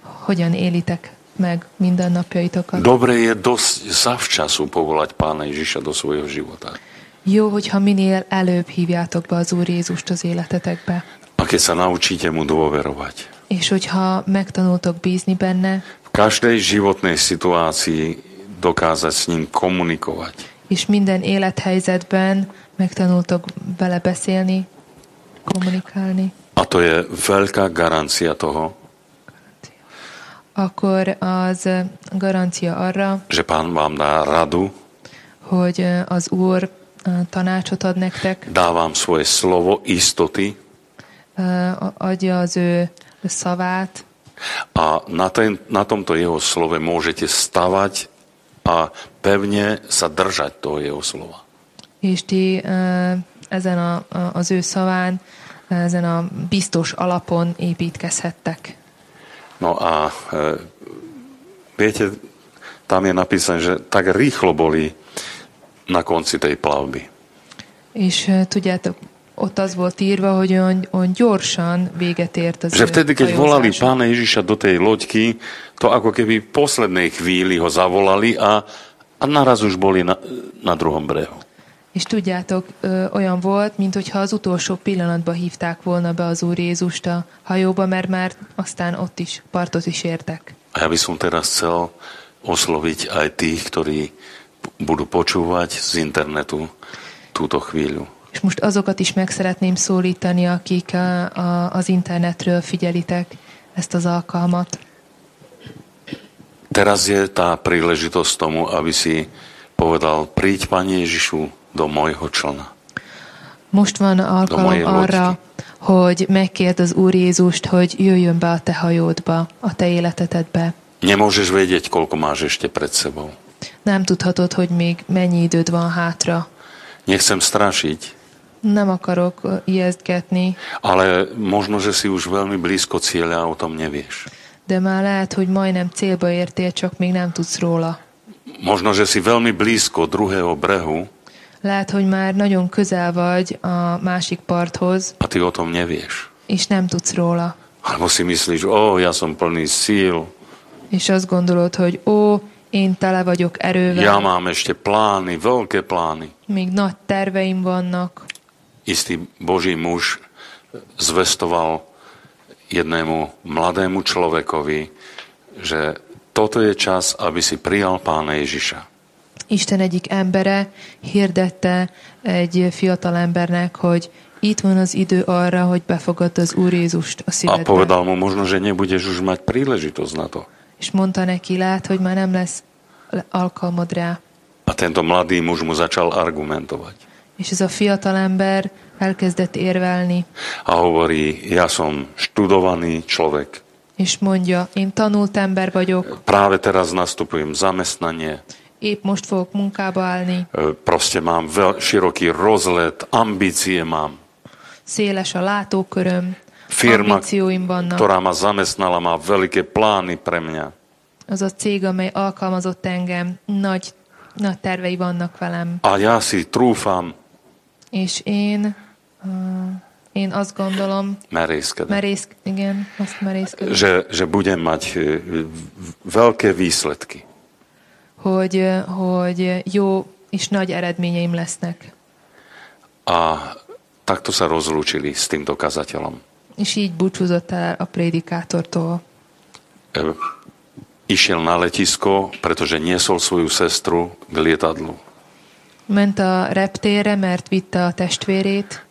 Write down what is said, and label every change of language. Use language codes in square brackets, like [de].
[hu] Hogyan élitek meg mindennapjaitokat? [sk] Dobre je dosť zavčasu povolať Pána Ježiša do svojho života. [hu] Jó, hogyha minél előbb hívjátok be az Úr Jézust az életetekbe. [sk] A keď sa naučíte mu dôverovať. [hu] És hogyha megtanultok bízni benne. [sk] V každej životnej situácii dokázať s ním komunikovať. [hu] És minden élethelyzetben megtanultok vele beszélni. Komunikálni. [sk] A to je veľká garancia toho, [hu] akkor az garancia arra, [sk] že Pán vám dá radu, [hu] hogy az Úr tanácsot ad nektek. [sk] Dávám svoje slovo istoty. [hu] Adja az ő szavát. [sk] A na tomto jeho slove môžete stavať a pevne sa držať toho jeho slova. [hu] És ti ezen az ő szaván, ezen a biztos alapon építkezhettek. [sk] No a viete, tam je napísané, že tak rýchlo boli na konci tej plavby. [hu] És tudjátok, ott az volt írva, hogy on gyorsan véget ért az [sk] že vtedy, keď volali Pána Ježiša do tej loďky, to ako keby poslednej chvíli ho zavolali a naraz už boli na druhom brehu. [hu] És tudjátok, olyan volt, mint hogyha az utolsó pillanatban hívták volna be az Úr Jézust a hajóba, mert már aztán ott is partot is értek. [sk] A ja by som teraz chcel osloviť aj tých, ktorí budú počúvať z internetu túto chvíľu. [hu] És most azokat is meg szeretném szólítani, akik az internetről figyelitek ezt az alkalmat. [sk] Teraz je tá príležitosť tomu, aby si povedal, príď, Pane Ježišu, do mojho člna. [hu] Most van alkalom arra, hogy megkérd az Úr Jézust, hogy jöjjön be a te hajódba, a te életetedbe. [sk] Nemôžeš vedieť, koľko máš ešte pred sebou. [hu] Nem tudhatod, hogy még mennyi időd van hátra. [sk] Nechcem strašiť. [hu] Nem akarok ijesztgetni. [sk] Ale možno, že si už veľmi blízko cieľa a o tom nevieš. [hu] De már lehet, hogy majdnem célba értél, csak még nem tudsz róla. [sk] Možno, že si veľmi blízko druhého brehu. [hu] Lehet, hogy már nagyon közel vagy a másik parthoz. [sk] A ty o tom nevieš. [hu] És nem tudsz róla. [sk] Alebo si myslíš, ó, ja som plný síl. [hu] És azt gondolod, hogy ó, én tele vagyok erővel. [sk] Ja mám ešte plány, veľké plány. [hu] Még nagy terveim vannak. [sk] Istý Boží muž zvestoval jednému mladému človekovi, že toto je čas, aby si prijal Pána Ježiša. [hu] Isten egyik embere hirdette egy fiatal embernek, hogy itt van az idő arra, hogy befogadd az Úr Jézust a szívedbe. [sk] A povedal mu, možno, že nebudeš už mať príležitosť na to. [hu] És mondta neki, lehet, hogy már nem lesz alkalmad rá. [sk] A tento mladý muž mu začal argumentovať. [hu] És ez a fiatal ember elkezdett érvelni. [sk] A hovorí, ja som študovaný človek. [hu] És mondja, én tanult ember vagyok. [sk] Práve teraz nastupujem zamestnanie. [hu] Épp most fogok munkába állni. [sk] Proste mám široký rozlet, ambície mám. [hu] Széles a látóköröm. [sk] Firma, [hu] ambícióim vannak. [sk] Ktorá ma zamestnala, má veľké plány pre mňa. [hu] Az a cég, amely alkalmazott engem, nagy tervei vannak velem. [sk] A ja si trúfam. [hu] És én azt gondolom, merészkedem. [sk] Že budem mať veľké výsledky. [hu] Hogy jó és nagy eredményeim lesznek. [sk] A takto sa rozlúčili s týmto kazateľom. [hu] És így búcsúzott el a prédikátortól. [sk] Išiel na letisko, pretože niesol svoju sestru k lietadlu. [hu] Ment a reptére, mert vitte a testvérét.